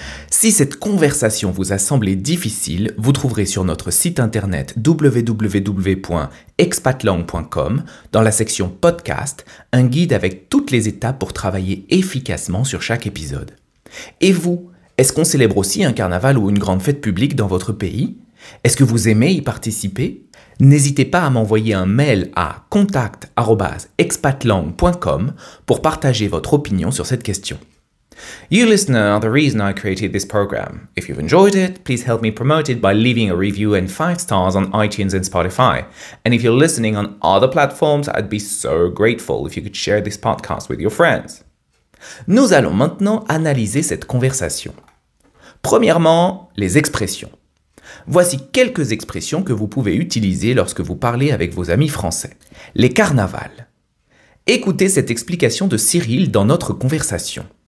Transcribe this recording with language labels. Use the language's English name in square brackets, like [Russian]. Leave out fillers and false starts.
[French] Si cette conversation vous a semblé difficile, vous trouverez sur notre site internet www.expatlang.com, dans la section podcast, un guide avec toutes les étapes pour travailler efficacement sur chaque épisode. Et vous, est-ce qu'on célèbre aussi un carnaval ou une grande fête publique dans votre pays ? Est-ce que vous aimez y participer ? N'hésitez pas à m'envoyer un mail à contact@expatlang.com pour partager votre opinion sur cette question. [English] You listener are the reason I created this program. If you've enjoyed it, please help me promote it by leaving a review and 5 stars on iTunes and Spotify. And if you're listening on other platforms, I'd be so grateful if you could share this podcast with your friends. [French] Nous allons maintenant analyser cette conversation. Premièrement, les expressions. Voici quelques expressions que vous pouvez utiliser lorsque vous parlez avec vos amis français. Les carnavals. Écoutez cette explication de Cyril dans notre conversation.